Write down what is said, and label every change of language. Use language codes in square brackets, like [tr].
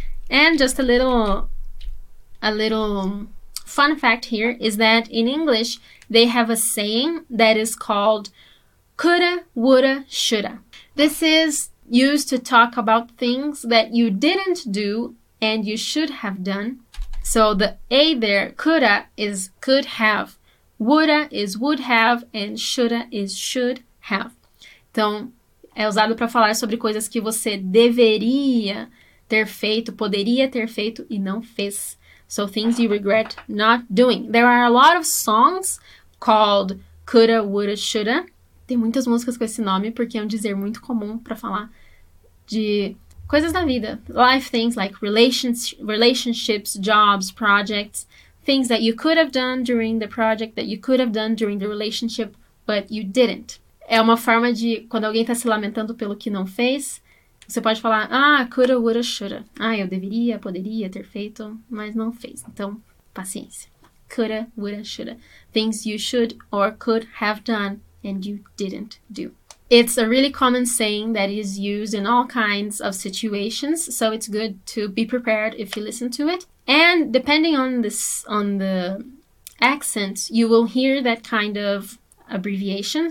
[en] And just a little fun fact here is that in English, they have a saying that is called coulda, woulda, shoulda. This is used to talk about things that you didn't do and you should have done. So the A there, coulda, is could have. Woulda is would have and shoulda is should have. [pt] Então, é usado para falar sobre coisas que você deveria ter feito, poderia ter feito e não fez. [en] So things you regret not doing. There are a lot of songs called coulda, woulda, shoulda. [pt] Tem muitas músicas com esse nome porque é um dizer muito comum para falar de coisas da vida. [en] Life things like relationships, jobs, projects. Things that you could have done during the project, that you could have done during the relationship, but you didn't. [pt] É uma forma de, quando alguém está se lamentando pelo que não fez, você pode falar, ah, coulda, woulda, shoulda. Ah, eu deveria, poderia ter feito, mas não fez. Então, paciência. Coulda, woulda, shoulda. [en] Things you should or could have done and you didn't do. It's a really common saying that is used in all kinds of situations, so it's good to be prepared if you listen to it. And depending on this, on the accent, you will hear that kind of abbreviation.